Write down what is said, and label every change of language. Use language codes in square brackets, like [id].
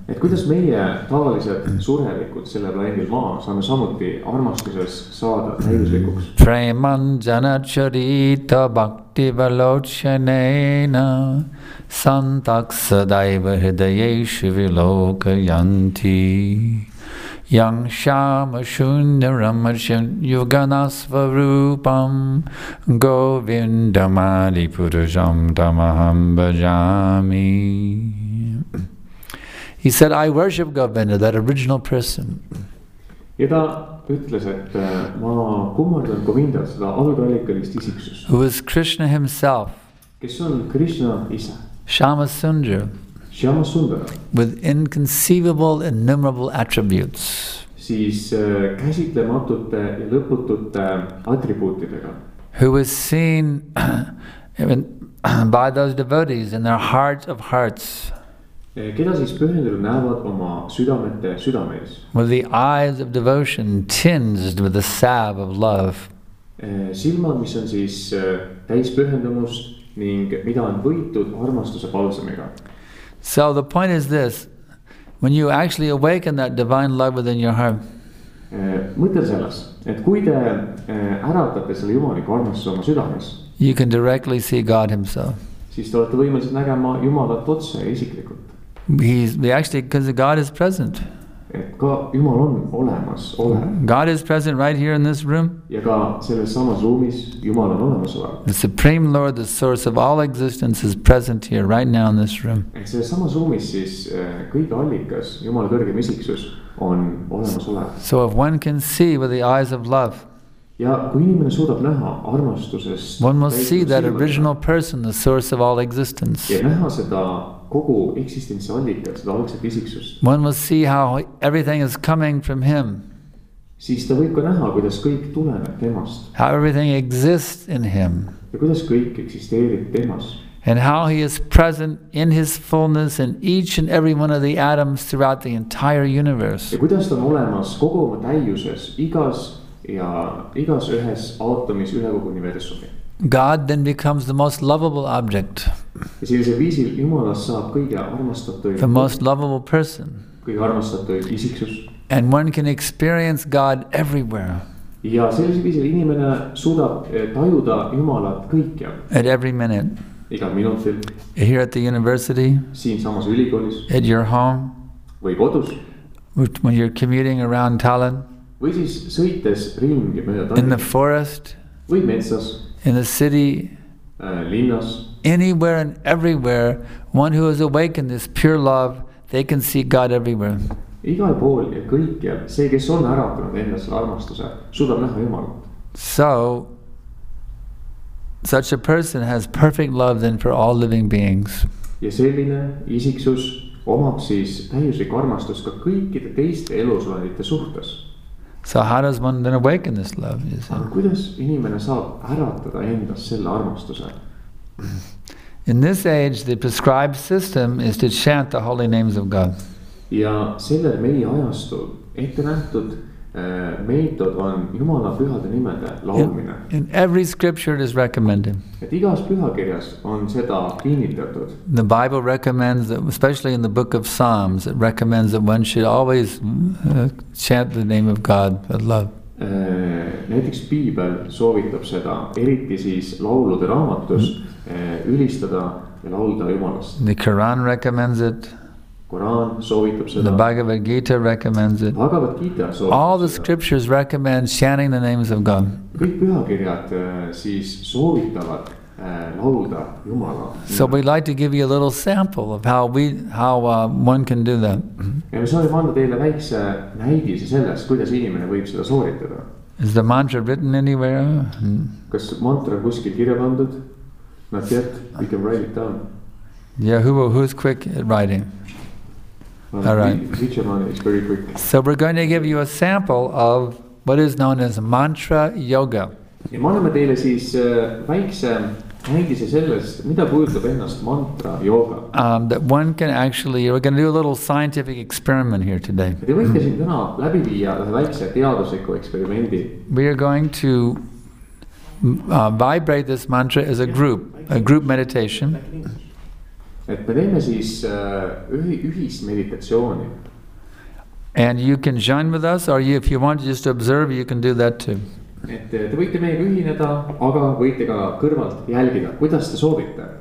[et] Et kuidas meie tavalised surelikud selle planeedil maa saame samuti armastuses saada täiuslikuks. [sa] Preman janacharita bhakti valochanena santaksadaiva hridayeshu vilokayanti yang shama shunya ramashan yuganasvarupam govindamali purusham tamaham bhajami. [en] He said, I worship Govinda, that original person. [et] Ida ütles, et ma kummardan Govinda, seda algallikalist isiksus. [en] Who is Krishna himself. [et] Kes on Krishna ise. [en] Shama Sundara. With inconceivable, innumerable attributes. [et] Siis käsitlematute ja lõputute attribuutidega. [en] Who was seen by those devotees in their hearts of hearts. [et] Keda siis pühendatud näevad oma südamete südameis. [en] With the eyes of devotion tinged with the salve of love. [et] Silmad, mis on siis täis pühendumust, ning mida on võitud armastuse palsamiga. [en] So the point is this, when you actually awaken that divine love within your heart. [et] Mõtel selles, et kui te äratate selle jumaliku armastuse oma südames, [en] you can directly see God himself. [et] Siis te olete võimelised nägema Jumalat otse isiklikult. [en] Because God is present. [et] Et ka Jumal on olemas, [en] God is present right here in this room. [et] Ja ka selles samas ruumis Jumal on olemas olemas. [en] The Supreme Lord, the source of all existence, is present here right now in this room. [et] Et selles samas ruumis siis kõige allikas Jumal kõrgem isiksus on olemas olemas. [en] So if one can see with the eyes of love, [et] ja kui inimene suudab näha armastusest, [en] one must see that original person, the source of all existence. [et] Ja näha seda kogu eksistentsi allikas, seda algset isiksust. [en] One must see how everything is coming from him. [et] Siis ta võib ka näha, kuidas kõik tuleneb temast. [en] How everything exists in him. [et] Ja kuidas kõik eksisteerib temas. [en] And how he is present in his fullness in each and every one of the atoms throughout the entire universe. [et] Ja kuidas ta on olemas kogu oma täiuses, igas ja igas ühes aatomis üle kogu universumi. [en] God then becomes the most lovable object. [et] Ja sellise viisil Jumalas saab kõige armastatud. [en] The most lovable person. [et] Kõige armastatud isiksus. [en] And one can experience God everywhere. [et] Ja sellise viisil inimene suudab tajuda Jumalat kõikjal. [en] At every minute. [et] Igal minutil. [en] Here at the university. [et] Siin samas ülikoolis. [en] At your home. [et] Või kodus. [en] When you're commuting around Tallinn. [et] Või siis sõites ringi mööda Tallinna. [en] In the forest. [et] Või metsas. [en] In the city. [et] Linnas. [en] Anywhere and everywhere, one who has awakened this pure love, they can see God everywhere. [et] Igal pool ja kõikjal, see, kes on äratanud enne selle armastuse, suudab näha Jumalat. [en] So, such a person has perfect love then for all living beings. [et] Ja selline isiksus omab siis täiuslik armastus ka kõikide teiste elusolendite suhtes. [en] So how does one then awaken this love? [et] Kuidas inimene saab äratada endas selle armastuse? [en] In this age, the prescribed system is to chant the holy names of God. [et] Ja sellel meie ajastul ette nähtud meetod on Jumala pühade nimede laulmine. [en] In every scripture it is recommended. [et] Et igas pühakirjas on seda kinnitatud. [en] The Bible recommends, especially in the book of Psalms, it recommends that one should always chant the name of God, love. [et] Näiteks piibel soovitab seda, eriti siis laulude raamatus, ülistada ja laulda Jumalast. [en] The Quran recommends it. [et] Quran soovitab seda. [en] The Bhagavad Gita recommends it. [et] Bhagavad Gita soovitab [en] seda. All the scriptures recommend chanting the names of God. [et] Kõik pühakirjad siis soovitavad laulda Jumala. [en] So we'd like to give you a little sample of how one can do that. [et] Ja me soovime anda teile väikse näidise sellest, kuidas inimene võib seda sooritada. [en] Is the mantra written anywhere? [et] Kas mantra kuskil kirja pandud? [en] Not yet. We can write it down. Yeah, who's quick at writing? All right. Vichaman is very quick. So we're going to give you a sample of what is known as mantra yoga. [et] Ja me anname teile siis väikse näidise sellest, mida kujutab ennast mantra yoga. [en] That one can actually, we're going to do a little scientific experiment here today. [et] Te võite siin täna läbi viia väikse teadusliku eksperimendi. [en] We are going to vibrate this mantra as a group meditation. [et] Et me teeme siis ühis meditatsiooni. [en] And you can join with us, or if you want to just observe, you can do that too. [et] Et te võite meiega ühineda, aga võite ka kõrvalt jälgida, kuidas te soovite.